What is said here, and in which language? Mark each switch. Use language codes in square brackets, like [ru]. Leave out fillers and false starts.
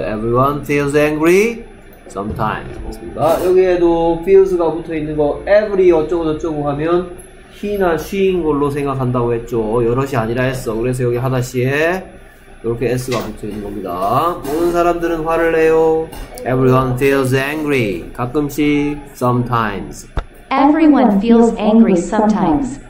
[en] Everyone feels angry sometimes. [ko] 맞습니다. 여기에도 feels가 붙어있는 거 every 어쩌고 저쩌고 하면 he나 she인 걸로 생각한다고 했죠. 여럿이 아니라 했어. 그래서 여기 하다시에 이렇게 s가 붙어있는 겁니다. 모든 사람들은 화를 내요. [en] Everyone feels angry. [ko] 가끔씩 sometimes. [en] Everyone feels angry sometimes.